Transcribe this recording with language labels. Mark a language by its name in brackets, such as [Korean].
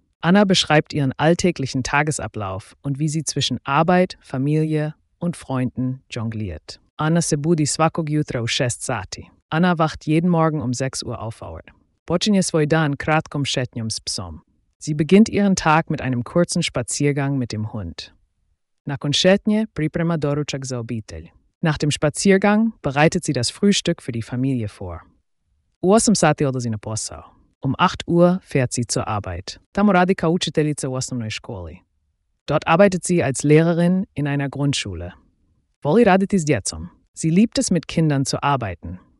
[German] Anna beschreibt ihren alltäglichen Tagesablauf und wie sie zwischen Arbeit, Familie und Freunden jongliert. [Croatian] Anna se budi svakog jutra u 6 sati. [German] Anna wacht jeden Morgen 6 Uhr auf. [Croatian] Počinje svoj dan kratkom šetnjom s psom. [German] Sie beginnt ihren Tag mit einem kurzen Spaziergang mit dem Hund. [Croatian] Nakon šetnje priprema doručak za obitelj. [German] Nach dem Spaziergang bereitet sie das Frühstück für die Familie vor. [Croatian] U 8 sati odlazi na posao. [German] 8 Uhr fährt sie zur Arbeit. [Croatian] Tamo radi kao učiteljica u osnovnoj školi. [German] Dort arbeitet sie als Lehrerin in einer Grundschule. [Croatian] Voli raditi s djecom. [German] Sie liebt es, mit Kindern zu arbeiten.